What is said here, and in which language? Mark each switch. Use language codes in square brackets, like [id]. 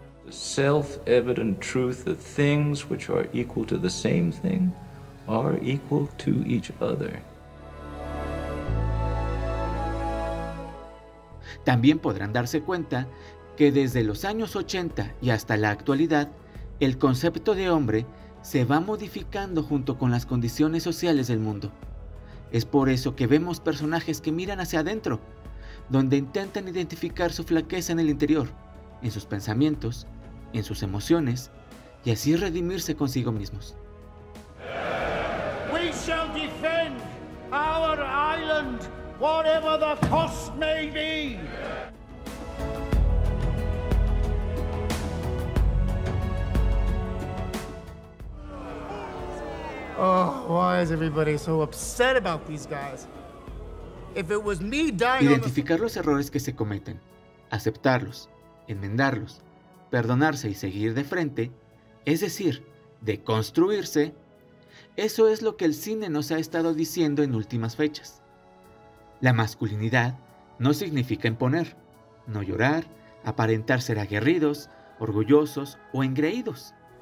[en] Self-evident truth that things which are equal to the same thing are equal to each other. [es] También podrán darse cuenta que desde los años 80 y hasta la actualidad, el concepto de hombre se va modificando junto con las condiciones sociales del mundo. Es por eso que vemos personajes que miran hacia adentro, donde intentan identificar su flaqueza en el interior, en sus pensamientos, en sus emociones, y así redimirse consigo mismos. [en] We shall defend our island, whatever the cost may be. Oh, why is everybody so upset about these guys? If it was me dying. [es] Identificar los errores que se cometen, aceptarlos, enmendarlos, perdonarse y seguir de frente, es decir, deconstruirse, eso es lo que el cine nos ha estado diciendo en últimas fechas. La masculinidad no significa imponer, no llorar, aparentar ser aguerridos, orgullosos o engreídos.